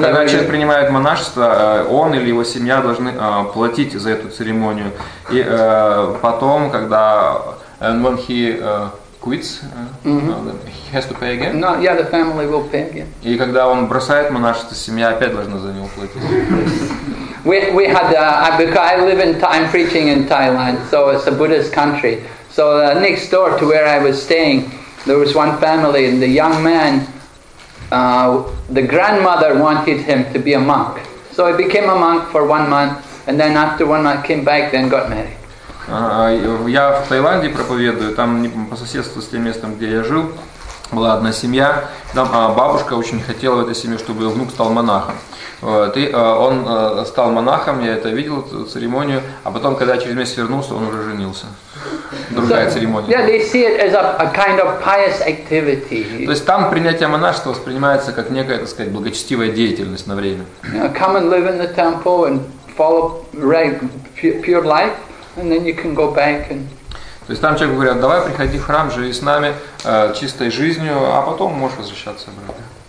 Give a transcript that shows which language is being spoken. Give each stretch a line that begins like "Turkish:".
Russian: Когда человек принимает монашество, он или его семья должны платить за эту церемонию. И потом, когда
English: and when he quits, he has to pay again. No, yeah, the family will pay again.
Russian: И когда он бросает монашество, семья опять должна за него платить.
English: We had because I live in I'm preaching in Thailand, so it's a Buddhist country. So next door to where I was staying, there was one family, and the young man, the grandmother wanted him to be a monk. So he became a monk for 1 month, and then after 1 month came back, then got married.
Russian: Я в Таиланде проповедую, там по соседству с тем местом, где я жил, была одна семья. Там бабушка очень хотела в этой семье, чтобы ее внук стал монахом. Вот, и он стал монахом, я это видел, эту церемонию, а потом, когда через месяц вернулся, он уже женился. Другая церемония.
English: Yeah, they see it as a kind of pious activity.
Russian: То есть там принятие монашества воспринимается как некая, так сказать, благочестивая деятельность на время.
English: Yeah, come and live in the temple and follow pure life, and then you can go back and...
Russian: То есть там человеку говорят, давай приходи в храм, живи с нами чистой жизнью, а потом можешь возвращаться обратно.